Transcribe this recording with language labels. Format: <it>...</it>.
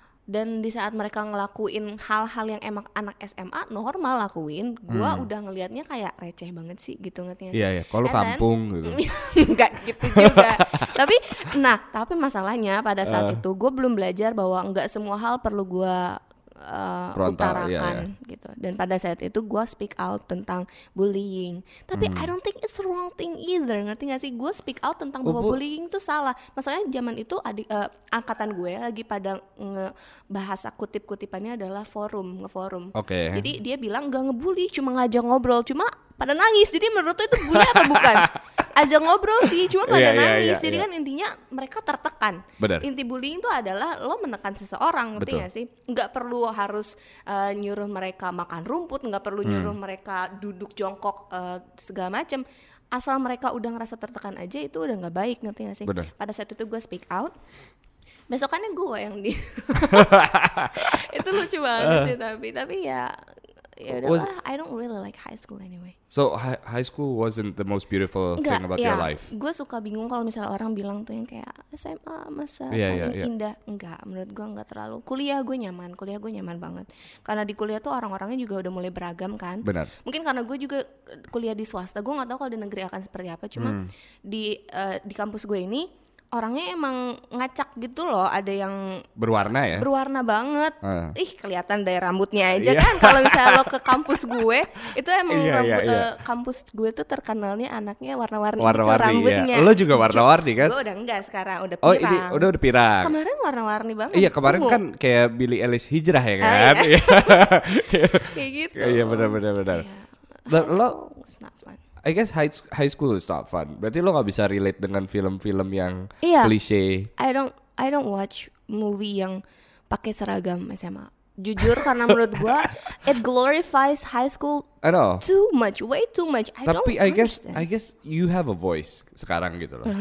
<id>Dan di saat mereka ngelakuin hal-hal yang emang anak SMA normal lakuin, gue udah ngelihatnya kayak receh banget sih gitu, ngerti gak sih? Iya, kalau kampung then, gitu. Enggak gitu juga. Tapi, nah, tapi masalahnya pada saat itu gue belum belajar bahwa enggak semua hal perlu gue utarakan gitu. Dan pada saat itu gue</id> <en>speak out</en> <id>tentang bullying. Tapi</id> <en>I don't think it's wrong thing either.</en> <id>Ngerti gak sih? Gue</id> <en>speak out</en> <id>tentang bahwa bullying itu salah. Masalahnya zaman itu angkatan gue lagi pada bahasa kutip-kutipannya adalah forum, ngeforum. Okay. Jadi dia bilang gak ngebully, cuma ngajak ngobrol, cuma pada nangis. Jadi menurut lo itu bully apa bukan? Aja ngobrol sih, cuma pada nangis. Jadi kan intinya mereka tertekan. Bener. Inti bullying itu adalah lo menekan seseorang, ngerti gak sih? Gak perlu harus nyuruh mereka makan rumput, gak perlu nyuruh mereka duduk jongkok, segala macem. Asal mereka udah ngerasa tertekan aja, itu udah gak baik, ngerti gak sih? Bener. Pada saat itu gue</id> <en>speak out.</en> <id>Besokannya gue yang di... Itu lucu banget sih tapi. Tapi ya...</id> <en>I don't really like high school anyway. So high school wasn't the most beautiful thing about your life?</en> <id>Gue suka bingung kalau misalnya orang bilang tuh yang kayak SMA masa paling indah. Enggak, menurut gue enggak terlalu. Kuliah gue nyaman banget. Karena di kuliah tuh orang-orangnya juga udah mulai beragam kan. Benar. Mungkin karena gue juga kuliah di swasta. Gue gak tahu kalau di negeri akan seperti apa. Cuma di kampus gue ini orangnya emang ngacak gitu loh, ada yang berwarna ya? Berwarna banget. Ih, kelihatan dari rambutnya aja kan. Kalau misalnya lo ke kampus gue, itu emang kampus gue tuh terkenalnya anaknya warna-warni gitu rambutnya. Lo juga warna-warni kan? Gue udah enggak sekarang, udah pirang. Oh, ini udah pirang. Kemarin warna-warni banget. Iya, kemarin kan kayak Billie Eilish hijrah ya kan? Iya. Kayak gitu. Iya, benar-benar. Lo</id> <en>I guess high school is not fun.</en> <id>Berarti lo gak bisa relate dengan film-film yang cliche.</id> <en>I don't watch movie</en> <id>yang pakai seragam SMA. Jujur karena menurut gue</id> <en>it glorifies high school too much, way too much. I guess you have a voice</en> <id>sekarang gitu loh.</id>